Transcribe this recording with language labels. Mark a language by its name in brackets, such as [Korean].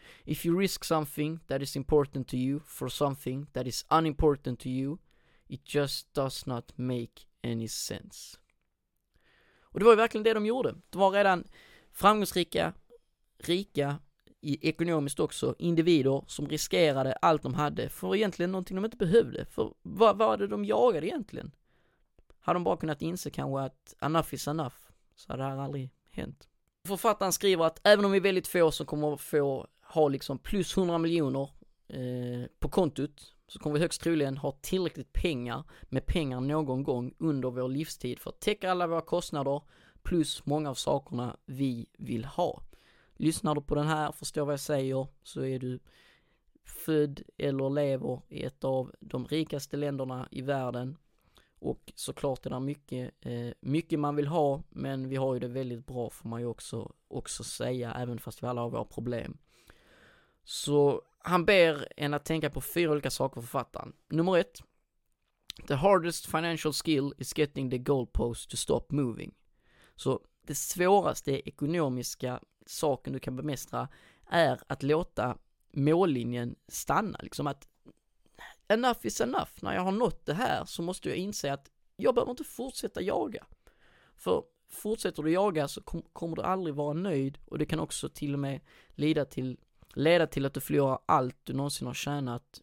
[English] If you risk something that is important to you for something that is unimportant to you, it just does not make any sense. [Swedish] Och det var ju verkligen det de gjorde. De var redan framgångsrika, rika ekonomiskt också, individer som riskerade allt de hade för egentligen någonting de inte behövde. För vad var det de jagade egentligen? Hade de bara kunnat inse kanske att [English] enough is enough, [Swedish] så hade det här aldrig hänt. Författaren skriver att även om vi är väldigt få som kommer att få ha liksom plus 100 miljoner på kontot, så kommer vi högst troligen ha tillräckligt pengar med pengar någon gång under vår livstid för att täcka alla våra kostnader plus många av sakerna vi vill ha. Lyssnar du på den här, förstår vad jag säger, så är du född eller lever i ett av de rikaste länderna i världen. Och såklart är det mycket, mycket man vill ha, men vi har ju det väldigt bra, får man ju också säga, även fast vi alla har våra problem. Så han ber en att tänka på fyra olika saker, författaren. Nummer ett. [English] The hardest financial skill is getting the goalpost to stop moving. [Swedish] Så det svåraste ekonomiska saken du kan bemästra är att låta mållinjen stanna. Liksom att [English] enough is enough. [Swedish] När jag har nått det här så måste jag inse att jag behöver inte fortsätta jaga. För fortsätter du jaga så kommer du aldrig vara nöjd, och det kan också till och med leda till att du förlorar allt du någonsin har tjänat.